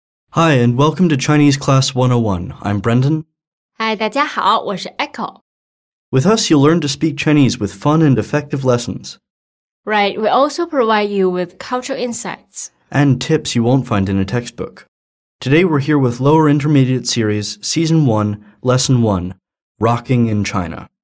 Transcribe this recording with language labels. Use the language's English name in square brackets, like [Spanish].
[English] Hi, and welcome to Chinese class 101. I'm Brendan. [Chinese] Hi, 大家好，我是 Echo. [English] With us, you'll learn to speak Chinese with fun and effective lessons. Right, we also provide you with cultural insights. And tips you won't find in a textbook. Today we're here with Lower Intermediate Series, Season 1, Lesson 1, Rocking in China.